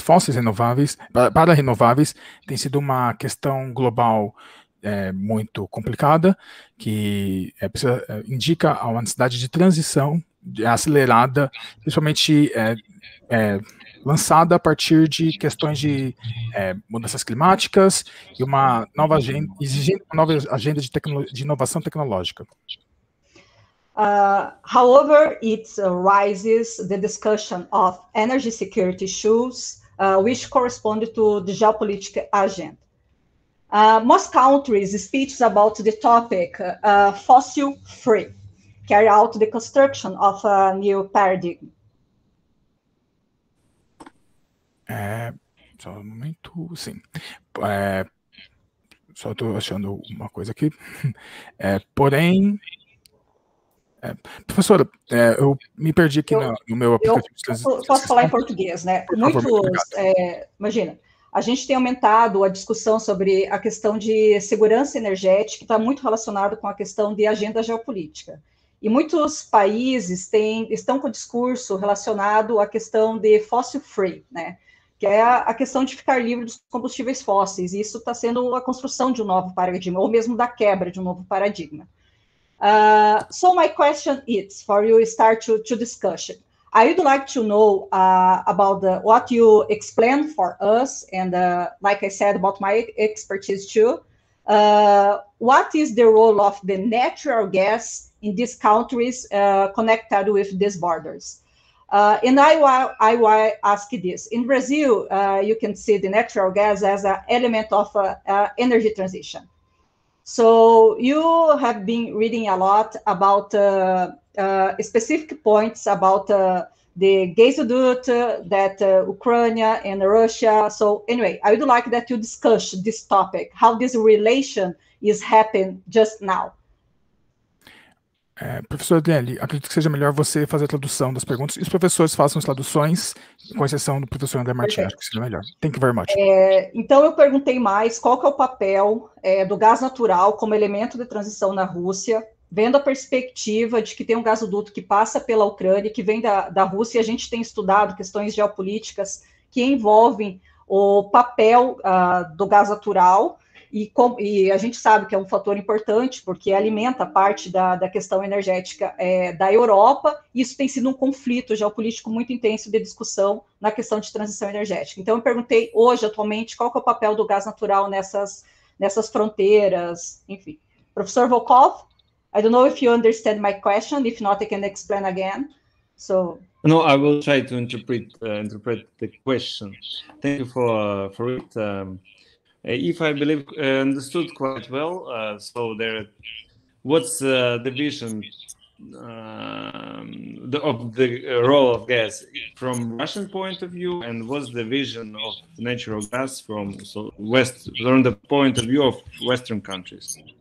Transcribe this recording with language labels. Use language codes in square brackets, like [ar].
[pt] fósseis renováveis, para renováveis, tem sido uma questão global muito complicada, que indica a necessidade de transição acelerada, principalmente lançada a partir de questões de mudanças climáticas e uma nova agenda, exigindo uma nova agenda de, de inovação tecnológica. [en] However, it arises the discussion of energy security issues, which correspond to the geopolitical agenda. Most countries speak about the topic fossil free, carry out the construction of a new paradigm. [pt] Só um momento, sim. Só estou achando uma coisa aqui. Porém, professora, eu me perdi aqui no meu aplicativo. Posso falar em português, né? Por muitos, favor, imagina, a gente tem aumentado a discussão sobre a questão de segurança energética, que está muito relacionado com a questão de agenda geopolítica. E muitos países estão com discurso relacionado à questão de fossil free, né? Que é a questão de ficar livre dos combustíveis fósseis, e isso está sendo a construção de um novo paradigma, ou mesmo da quebra de um novo paradigma. [en] So my question is, for you start to discussion, I would like to know about what you explained for us, and like I said, about my expertise too, what is the role of the natural gas in these countries connected with these borders? And I will ask this. In Brazil, you can see the natural gas as an element of energy transition. So you have been reading a lot about specific points about the gasoduct that Ukraine and Russia. So anyway, I would like that you discuss this topic, how this relation is happening just now. [pt] Professor Drielli, acredito que seja melhor você fazer a tradução das perguntas e os professores façam as traduções, com exceção do professor André Martins, acho que seria melhor. [en] Thank you very much. [pt] Então, eu perguntei mais qual que é o papel do gás natural como elemento de transição na Rússia, vendo a perspectiva de que tem um gasoduto que passa pela Ucrânia, que vem da Rússia, e a gente tem estudado questões geopolíticas que envolvem o papel do gás natural. E a gente sabe que é um fator importante, porque alimenta parte da questão energética da Europa, e isso tem sido um conflito geopolítico muito intenso de discussão na questão de transição energética. Então, eu perguntei hoje, atualmente, qual que é o papel do gás natural nessas fronteiras, enfim. [en] Professor Volkov, I don't know if you understand my question, if not, I can explain again. So... No, I will try to interpret the question. Thank you for it. If I believe understood quite well, so there, what's the vision of the role of gas from Russian point of view, and what's the vision of natural gas from the point of view of Western countries?